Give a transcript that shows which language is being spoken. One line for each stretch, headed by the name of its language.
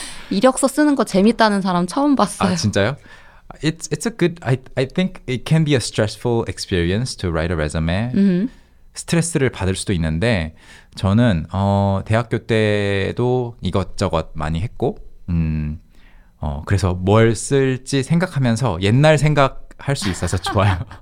Korean: 이력서 쓰는 거 재밌다는 사람 처음 봤어요. 아, 진짜요?
English: It's a good, I think it can be a stressful experience to write a resume.
Korean: 스트레스를 받을 수도 있는데 저는 대학교 때도 이것저것 많이 했고 그래서 뭘 쓸지 생각하면서 옛날 생각할 수 있어서 좋아요.